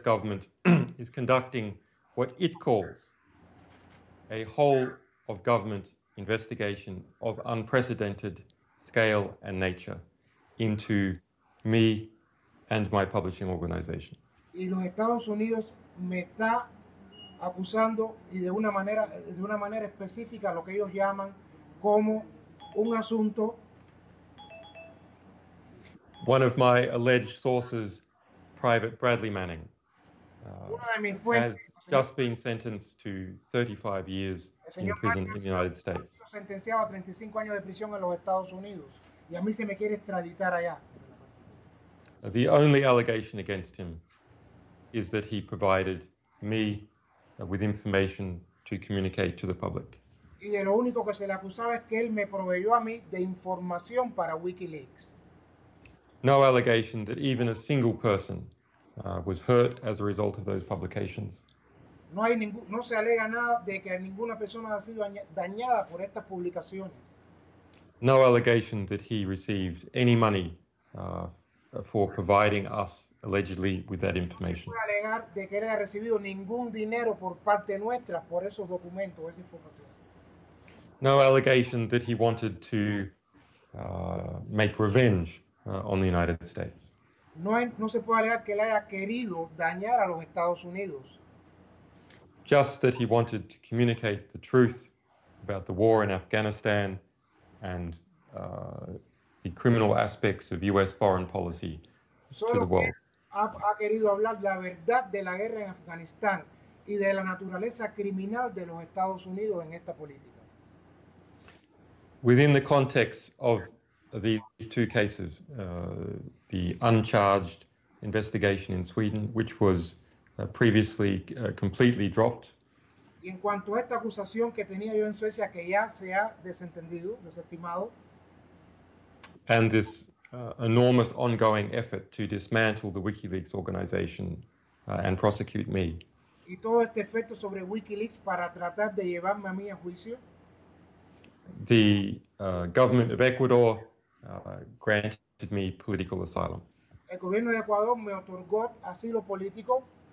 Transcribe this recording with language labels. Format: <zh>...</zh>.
<en>government is conducting what it calls a whole-of-government investigation of unprecedented scale and nature into me and my publishing organization.</en> <es>Y los Estados Unidos me está acusando y de una manera específica lo que ellos llaman como un asunto.</es> <en>One of my alleged sources, Private Bradley Manning, has just been sentenced to 35 years in prison in the United States.</en> <es>Sentenciado a 35 años de prisión en los Estados Unidos, y a mí se me quiere extraditar allá.</es> <en>The only allegation against him is that he provided me with information to communicate to the public.</en> <es>Y de lo único que se le acusaba es que él me proveyó a mí de información para WikiLeaks.</es> <en>No allegation that even a single person was hurt as a result of those publications.</en> <es>No se alega nada de que ninguna persona ha sido dañada por estas publicaciones.</es> <en>No allegation that he received any money for providing us allegedly with that information.</en> <es>No se puede alegar de que él haya recibido ningún dinero por parte nuestra por esos documentos, esa información.</es> <en>No allegation that he wanted to make revenge on the United States.</en> <es>No se puede alegar que él haya querido dañar a los Estados Unidos.</es> <en>Just that he wanted to communicate the truth about the war in Afghanistan and the criminal aspects of U.S. foreign policy to the world.</en> <es>Ha querido hablar la verdad de la guerra en Afganistán y de la naturaleza criminal de los Estados Unidos en esta política.</es> <en>Within the context of these two cases, the uncharged investigation in Sweden, which was previously completely dropped.</en> <es>Y en cuanto a esta acusación que tenía yo en Suecia, que ya se ha desentendido, desestimado.</es> <en>And this enormous ongoing effort to dismantle the WikiLeaks organization and prosecute me.</en> <es>Y todo este efecto sobre WikiLeaks para tratar de llevarme a mí a juicio.</es> <en>The government of Ecuador granted me political asylum.</en> <es>El gobierno de Ecuador me otorgó asilo político.</es>